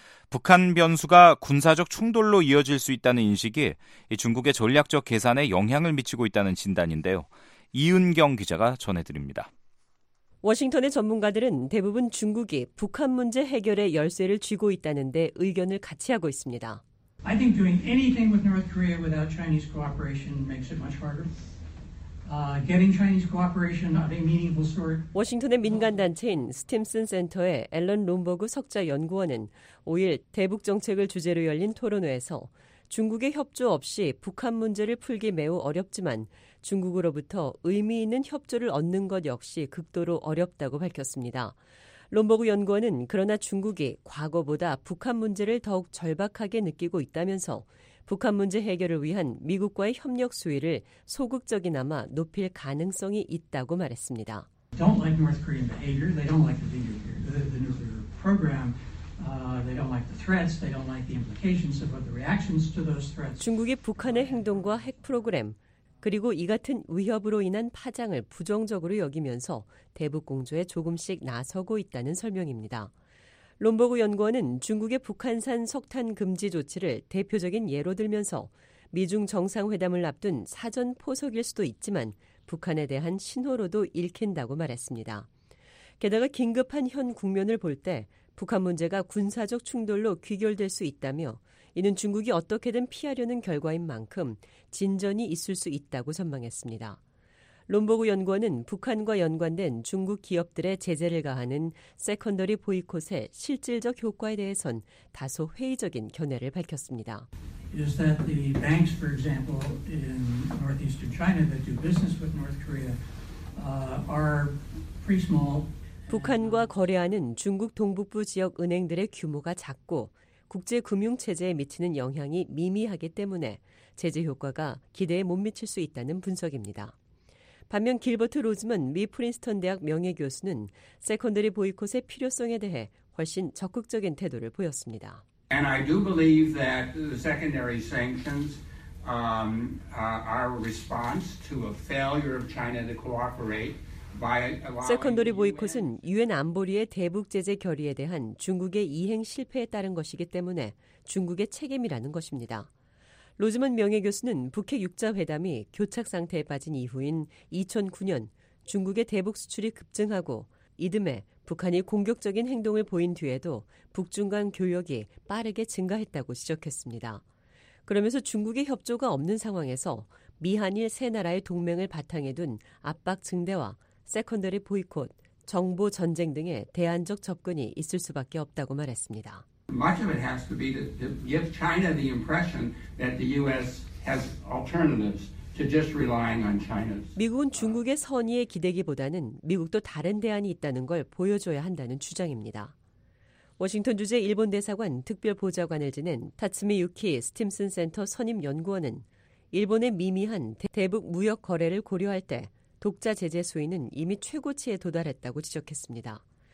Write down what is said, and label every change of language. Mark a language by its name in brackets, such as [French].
[Korean] 북한 변수가 군사적 충돌로 이어질 수 있다는 인식이 중국의 전략적 계산에 영향을 미치고 있다는 진단인데요. 이은경 기자가 전해드립니다. 워싱턴의 전문가들은 대부분 중국이 북한 문제 해결에 열쇠를 쥐고 있다는 데 의견을 같이 하고 있습니다. [English] I think doing anything with North Korea without Chinese cooperation makes it much harder. getting Chinese cooperation of a meaningful sort. [Korean] 워싱턴의 민간 단체인 스팀슨 센터의 앨런 롬버그 석좌 연구원은 5일 대북 정책을 주제로 열린 토론회에서 중국의 협조 없이 북한 문제를 풀기 매우 어렵지만 중국으로부터 의미 있는 협조를 얻는 것 역시 극도로 어렵다고 밝혔습니다. 롬버그 연구원은 그러나 중국이 과거보다 북한 문제를 더욱 절박하게 느끼고 있다면서 북한 문제 해결을 위한 미국과의 협력 수위를 소극적이나마 높일 가능성이 있다고 말했습니다. [English] Don't like North Korean behavior. They don't like the nuclear program. They don't like the threats. They don't like the implications of the reactions to those threats. [Korean] 중국이 북한의 행동과 핵 프로그램 그리고 이 같은 위협으로 인한 파장을 부정적으로 여기면서 대북 공조에 조금씩 나서고 있다는 설명입니다. 롬버그 연구원은 중국의 북한산 석탄 금지 조치를 대표적인 예로 들면서 미중 정상회담을 앞둔 사전 포석일 수도 있지만 북한에 대한 신호로도 읽힌다고 말했습니다. 게다가 긴급한 현 국면을 볼 때 북한 문제가 군사적 충돌로 귀결될 수 있다며 이는 중국이 어떻게든 피하려는 결과인 만큼 진전이 있을 수 있다고 전망했습니다. 롬버그 연구원은 북한과 연관된 중국 기업들의 제재를 가하는 세컨더리 보이콧의 실질적 효과에 대해선 다소 회의적인 견해를 밝혔습니다. [English] Is that the banks, for example, in northeastern China that do business with North Korea are pretty small? [Korean] 북한과 거래하는 중국 동북부 지역 은행들의 규모가 작고 국제금융체제에 미치는 영향이 미미하기 때문에 제재 효과가 기대에 못 미칠 수 있다는 분석입니다. 반면 길버트 로즈먼 미 프린스턴 대학 명예교수는 세컨더리 보이콧의 필요성에 대해 훨씬 적극적인 태도를 보였습니다. [English] And I do believe that the secondary sanctions are a response to a failure of China to cooperate. [Korean] 세컨더리 보이콧은 유엔 안보리의 대북 제재 결의에 대한 중국의 이행 실패에 따른 것이기 때문에 중국의 책임이라는 것입니다. 로즈먼 명예교수는 북핵 6자 회담이 교착 상태에 빠진 이후인 2009년 중국의 대북 수출이 급증하고 이듬해 북한이 공격적인 행동을 보인 뒤에도 북중 간 교역이 빠르게 증가했다고 지적했습니다. 그러면서 중국의 협조가 없는 상황에서 미한일 세 나라의 동맹을 바탕에 둔 압박 증대와 세컨더리 보이콧, 정보 전쟁 등의 대안적 접근이 있을 수밖에 없다고 말했습니다. [English] Much of it has to be to give China the impression that the U.S. has alternatives to just relying on China. [Korean] 미국은 중국의 선의에 기대기보다는 미국도 다른 대안이 있다는 걸 보여줘야 한다는 주장입니다. 워싱턴 주재 일본 대사관 특별 보좌관을 지낸 타츠미 유키 스팀슨 센터 선임 연구원은 일본의 미미한 대북 무역 거래를 고려할 때 독자 제재 수위는 이미 최고치에 도달했다고 지적했습니다.